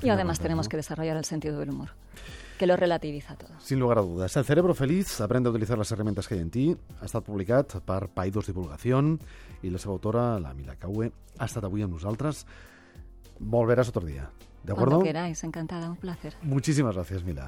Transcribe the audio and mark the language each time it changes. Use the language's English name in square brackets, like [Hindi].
[Spanish] Y además tenemos, ¿no?, que desarrollar el sentido del humor, que lo relativiza todo. Sin lugar a dudas. El cerebro feliz aprende a utilizar las herramientas que hay en ti. [Catalan] Ha estat publicat per Paidós Divulgación i la seva autora, la Mila Caue, ha estat avui amb nosaltres. [Spanish] Volverás otro día, ¿de acuerdo? Cuando queráis, encantada, un placer. Muchísimas gracias, Mila.